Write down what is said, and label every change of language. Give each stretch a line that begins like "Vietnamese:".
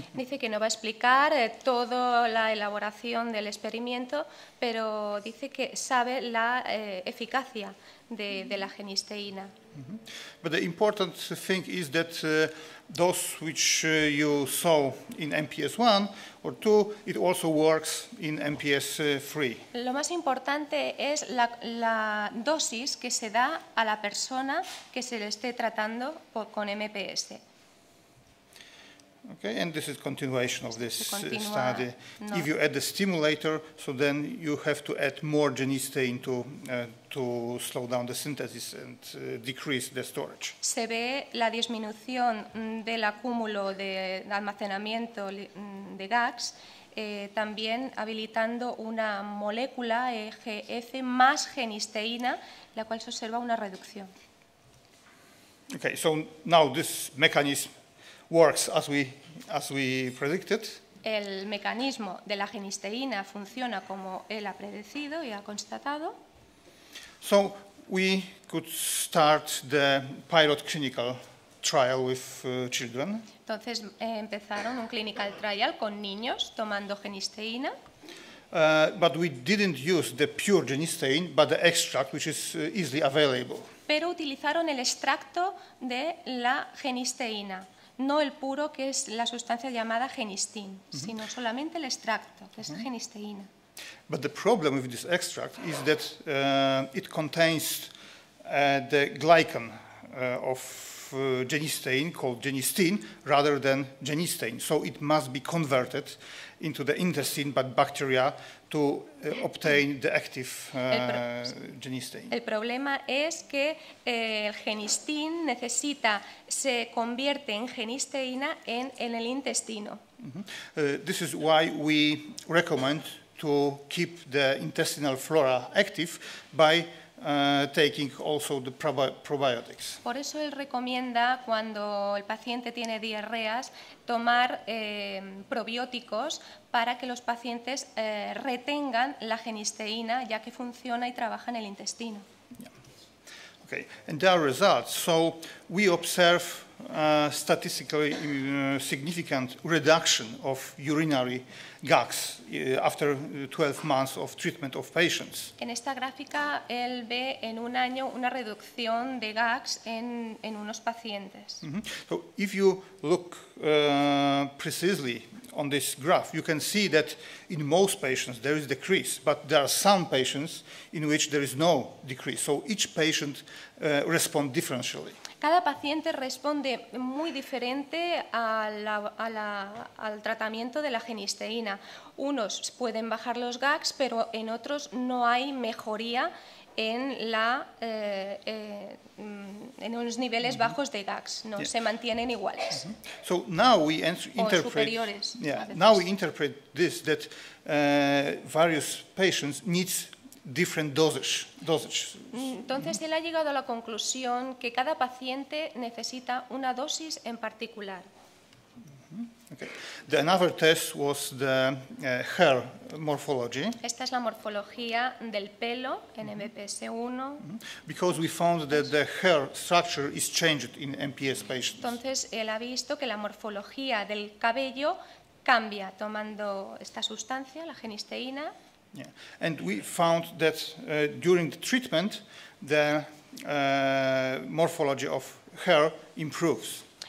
Spanish: Dice que no va a explicar toda la elaboración del experimento, pero dice que sabe la eficacia de la genisteína. Mm-hmm.
English: But the important thing is that those which you saw in MPS 1 or 2, it also works in MPS 3.
Spanish: Lo más importante es la dosis que se da a la persona que se le esté tratando con MPS.
English: Okay, and this is continuation of this study. No. If you add the stimulator, so then you have to add more genistein to slow down the synthesis and decrease the storage.
Spanish: Se ve la disminución del acúmulo de almacenamiento de GAX, también habilitando una molécula EGF más genisteína, la cual se observa una reducción.
English: Okay, so now this mechanism works as we predicted.
Spanish: El mecanismo de la genisteína funciona como él ha predecido y ha constatado.
English: So we could start the pilot clinical trial with children.
Spanish: Entonces empezaron un clinical trial con niños tomando genisteína.
English: But we didn't use the pure genistein, but the extract, which is easily available.
Spanish: Pero utilizaron el extracto de la genisteína. No el puro, que es la sustancia llamada genistein, mm-hmm. sino solamente el extracto, que mm-hmm. es genisteína.
English: But the problem with this extract is that it contains the glycan of genistein called genistein rather than genistein. So it must be converted into the intestine by bacteria to obtain the active genistein.
Spanish: El problema es que el genistein necesita se convierte en genisteína en el intestino. Mm-hmm.
English: This is why we recommend to keep the intestinal flora active by taking also the probiotics.
Spanish: Por eso él recomienda cuando el paciente tiene diarreas tomar probióticos para que los pacientes retengan la genisteína ya que funciona y trabaja en el intestino.
English: Yeah. Okay, and there are results. So we observe statistically significant reduction of urinary GAX after 12 months of treatment of patients.
Spanish: En esta gráfica él ve en un año una reducción de GAX en unos pacientes. Mm-hmm.
English: So if you look precisely on this graph, you can see that in most patients there is decrease, but there are some patients in which there is no decrease. So each patient responds differentially.
Spanish: Cada paciente responde muy diferente al tratamiento de la genisteína. Unos pueden bajar los GAX, pero en otros no hay mejoría en la en unos niveles mm-hmm. bajos de GAX. No, yeah. se mantienen iguales. Mm-hmm.
English: So now we interpret,
Spanish: o superiores.
English: Yeah, now we interpret this that various patients needs different dosage.
Spanish: Entonces él ha llegado a la conclusión que cada paciente necesita una dosis en particular.
English: Mm-hmm. Okay. The another test was the hair morphology.
Spanish: Esta es la morfología del pelo en mm-hmm. MPS 1. Mm-hmm.
English: Because we found that the hair structure is changed in MPS patients.
Spanish: Entonces él ha visto que la morfología del cabello cambia tomando esta sustancia, la genisteína. Yeah.
English: And we found that during the treatment, the morphology of hair improves.